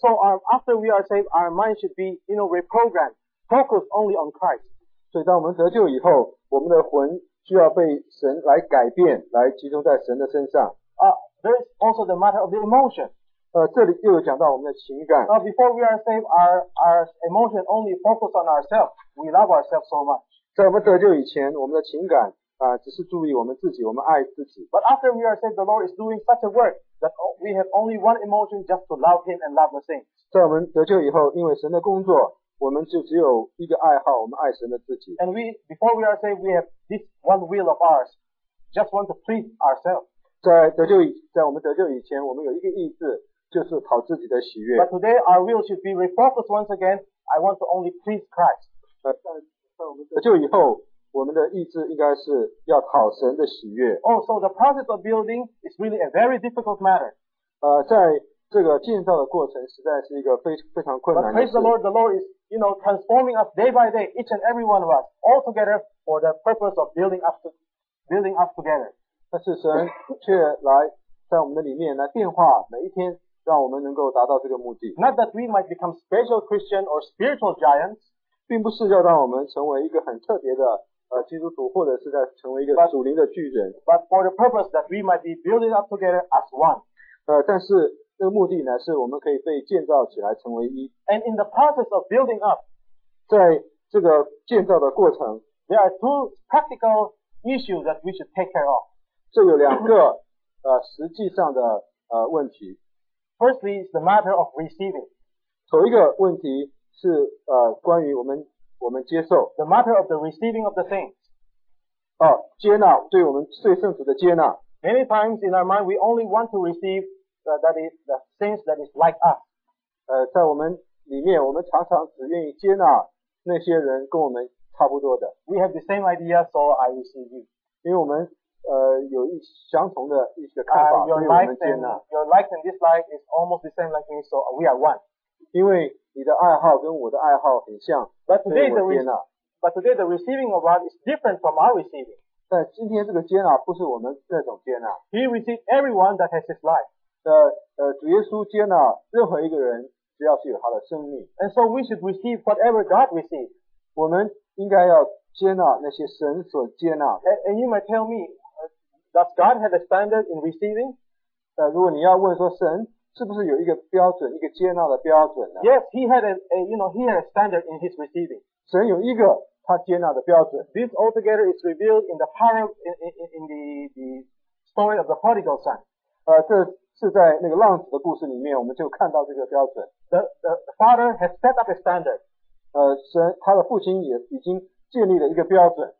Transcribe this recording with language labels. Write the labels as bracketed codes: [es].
[en] So after we are saved, our mind should be, you know, reprogrammed, focused only on Christ. [zh] 所以当我们得救以后，我们的魂需要被神来改变，来集中在神的身上。 [en] There is also the matter of the emotion. [zh] 这里又有讲到我们的情感。 [en] Before we are saved, our emotion only focus on ourselves. We love ourselves so much. [zh] 在我们得救以前，我们的情感只是注意我们自己，我们爱自己。 [en] But after we are saved, the Lord is doing such a work that we have only one emotion, just to love Him and love the saints. [zh] 在我们得救以后，因为神的工作，我们就只有一个爱好，我们爱神的自己。 [en] And we, before we are saved, we have this one will of ours, just want to please ourselves. [zh] 在我们得救以前，我们有一个意志，就是讨自己的喜悦。 [en] But today our will should be refocused once again. I want to only please Christ. [zh] 在我们得救以后，我们的意志应该是要讨神的喜悦。 [en] Oh, so the process of building is really a very difficult matter. [zh] 在这个建造的过程实在是一个非常困难的事。 [en] But praise the Lord, the Lord is, you know, transforming us day by day, each and every one of us, all together for the purpose of building up together. [zh] 但是神却来在我们的里面来变化每一天，让我们能够达到这个目的。 [en] Not that we might become special Christian or spiritual giants. [zh] 并不是要让我们成为一个很特别的基督徒，或者是在成为一个属灵的巨人。 [en] But for the purpose that we might be building up together as one. [zh] 但是那个目的呢，是我们可以被建造起来成为一。 [en] And in the process of building up, [zh] 在这个建造的过程 [en] ，there are two practical issues that we should take care of. [zh] 这有两个实际上的问题。 [en] Firstly, is the matter of receiving. [zh] 头一个问题。是关于我们接受 [en] the matter of the receiving of the saints [zh] 接纳对我们最圣徒的接纳 [en] many times in our mind we only want to receive that is the saints that is like us [zh] 在我们里面我们常常只愿意接纳那些人跟我们差不多的 [en] we have the same idea so I receive you [zh] 因为我们有一相同的一些看法所以我们接纳 [en] your like and dislike is almost the same like me so we are one [zh] 因为你的爱好跟我的爱好很像 [en] but today the receiving of God is different from our receiving [zh] 但今天这个接纳不是我们这种接纳 [en] He receives everyone that has his life [zh] 主耶稣接纳任何一个人只要是有他的生命 [en] and so we should receive whatever God receives [zh] 我们应该要接纳那些神所接纳 [en] and you might tell me does God have a standard in receiving [zh] 如果你要问说神是不是有一个标准，一个接纳的标准呢 [en] ？Yes, he had a standard in his receiving. [zh] 神有一个他接纳的标准。 [en] This altogether is revealed in the parable in the story of the prodigal son. [zh] 这是在那个浪子的故事里面，我们就看到这个标准。 [en] The father has set up a standard. [zh] 神他的父亲也已经建立了一个标准。